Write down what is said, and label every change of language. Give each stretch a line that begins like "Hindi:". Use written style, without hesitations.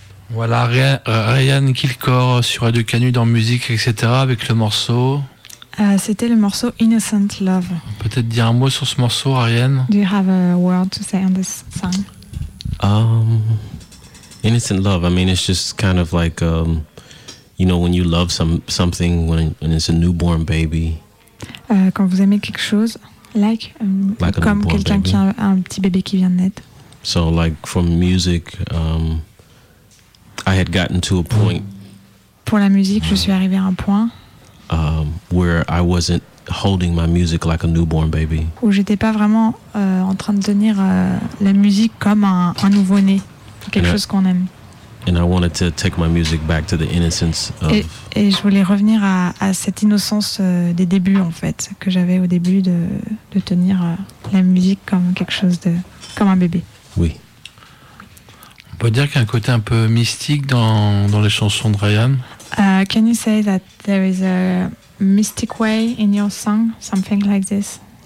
French: Voilà, Ryan Kilgore sur Radio Canu dans musique, etc. avec le morceau. C'était le morceau Innocent Love. Peut-être dire un mot sur ce morceau, Ariane.
English: Do you have a word to say on this song? Innocent love. I mean, it's just kind of like, you know, when you love something when it's a newborn baby.
French: Quand vous aimez quelque chose, like comme quelqu'un baby. Qui a un petit bébé qui vient de naître.
English: So, like from music, I had gotten to a point.
French: Pour la musique, je suis arrivé à un point.
English: Where I wasn't holding my music like a newborn baby.
French: Où j'étais pas vraiment en train de tenir la musique comme un nouveau-né, quelque chose qu'on aime.
English: And I wanted to take my music back to the innocence of.
French: Et je voulais revenir à cette innocence des débuts en fait que j'avais au début de tenir la musique comme quelque chose de comme un bébé. Oui. On peut dire qu'il y a un côté un peu mystique dans les chansons de Ryan.
English: Can you say that there is a mystic way in your song, something like this?